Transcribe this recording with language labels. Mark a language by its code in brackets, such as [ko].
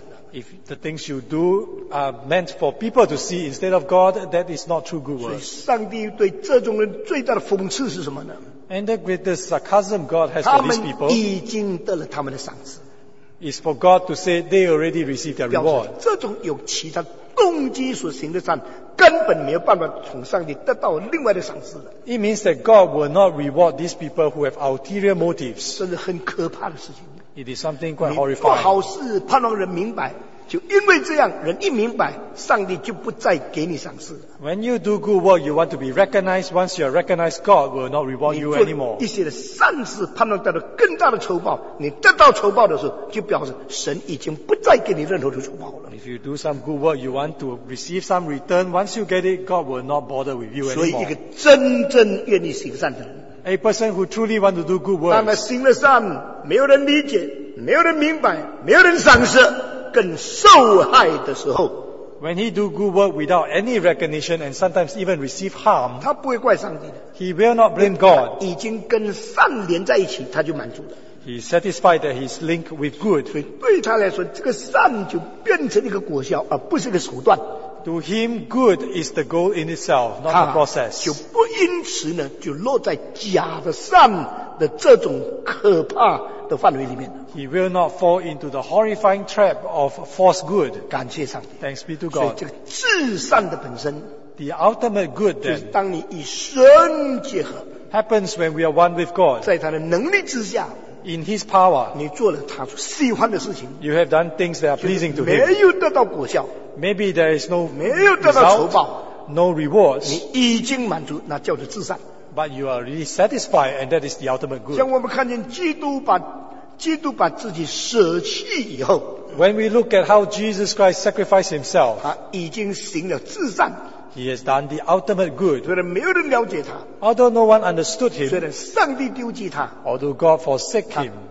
[en] If the things you do are meant for people to see instead of God, that is not true good works. [zh] 所以上帝对这种人最大的讽刺是什么呢? [en] And the greatest sarcasm God has for these people [zh] 他们已经得了他们的赏赐, [en] is for God to say they already received their reward. [zh] 这种有其他动机所行的善, 根本没有办法从上帝得到另外的赏赐的。 [en] It means that God will not reward these people who have ulterior motives. [zh] 这是很可怕的事情。 [en] It is something quite horrifying. [zh] 你做好事盼望人明白, 就因为这样, 人一明白, 上帝就不再给你赏赐。 [en] When you do good work, you want to be recognized. Once you are recognized, God will not reward you anymore. [zh] 你做一些善事, 盼望得到更大的酬报, 你得到酬报的时候, 就表示神已经不再给你任何的酬报了。 [en] If you do some good work, you want to receive some return. Once you get it, God will not bother with you anymore. [zh] 所以一个真正愿意行善的人, [en] a person who truly want to do good works, [zh] 当他行了善, 没有人理解, 没有人明白, 没有人赏识, 更受害的时候, [en] when he do good work without any recognition and sometimes even receive harm, [zh] 他不会怪上帝的, [en] he will not blame God. [zh] 已经跟善连在一起, 他就满足了。 [en] He is satisfied that he is linked with good. [zh] 所以对他来说, 这个善就变成一个果效, 而不是一个手段。 [en] To him, good is the goal in itself, not the process. [zh] 就不因此呢, 就落在假的善的这种可怕的范围里面。 [en] He will not fall into the horrifying trap of false good. [zh] 感谢上帝。 [en] Thanks be to God. [zh] 所以这个至善的本身, [en] the ultimate good then, [zh] 就是当你与神结合, [en] happens when we are one with God. [zh] 在他的能力之下, [en] in his power, [zh] 你做了他所喜欢的事情, [en] you have done things that are pleasing to him. [zh] 没有得到果效, [en] maybe there is no [zh] 没有得到酬报, [en] no rewards. [zh] 你已经满足, 那叫做至善。 [en] But you are really satisfied, and that is the ultimate good. [zh] 像我们看见基督把自己舍弃以后, [en] when we look at how Jesus Christ sacrificed himself, [zh] 他已经行了至善。 [en] He has done the ultimate good. [zh] 虽然没有人了解他, [en] although no one understood him, [zh] 虽然上帝丢弃他, [en] although God forsake him,